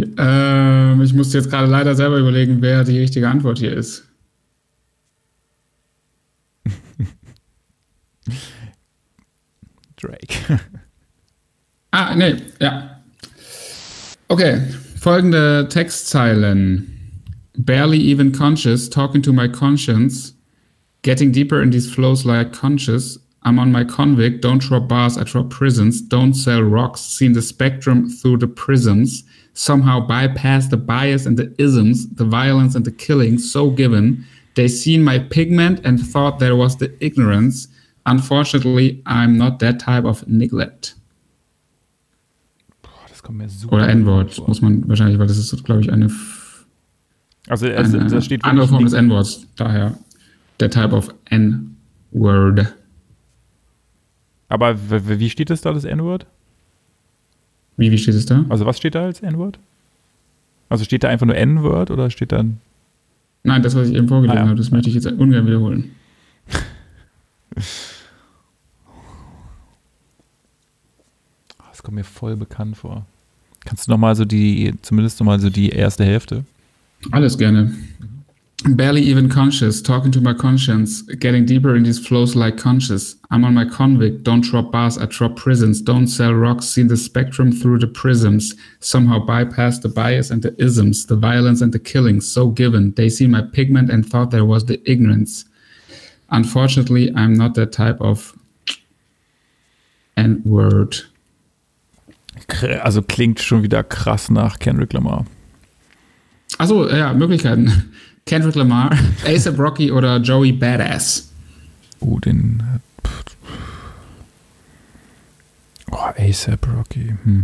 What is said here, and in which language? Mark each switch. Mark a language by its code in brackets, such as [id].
[de] Ich musste jetzt gerade leider selber überlegen, wer die richtige Antwort hier ist. Drake. Ah, nee, ja. Okay, folgende Textzeilen. [en] Barely even conscious, talking to my conscience. Getting deeper in these flows like conscious. I'm on my convict, don't drop bars, I drop prisons, don't sell rocks, seen the spectrum through the prisms, somehow bypass the bias and the isms, the violence and the killing, so given, they seen my pigment and thought there was the ignorance, unfortunately, I'm not that type of neglect. [de] Boah, das kommt mir super. Oder N-Wort, boah. Muss man wahrscheinlich, weil das ist, glaube ich, eine. Also, da steht. Andere Form des N-Worts, daher. Der [en] type of N-Word. [de] Aber wie steht es da, das N-Word? Wie steht es da? Also was steht da als N-Word? Also steht da einfach nur N-Word oder steht dann? Nein, das, was ich eben vorgelesen habe, das möchte ich jetzt ungern wiederholen. Das kommt mir voll bekannt vor. Kannst du nochmal so die erste Hälfte? Alles gerne. [en] Barely even conscious, talking to my conscience, getting deeper in these flows like conscious. I'm on my convict, don't drop bars, I drop prisons, don't sell rocks, see the spectrum through the prisms, somehow bypass the bias and the isms, the violence and the killing, so given, they see my pigment and thought there was the ignorance. Unfortunately, I'm not that type of N-word. [de] Also klingt schon wieder krass nach Kendrick Lamar. Achso, ja, Möglichkeiten. Kendrick Lamar, A$AP Rocky oder Joey Badass? Oh, den. Oh, A$AP Rocky.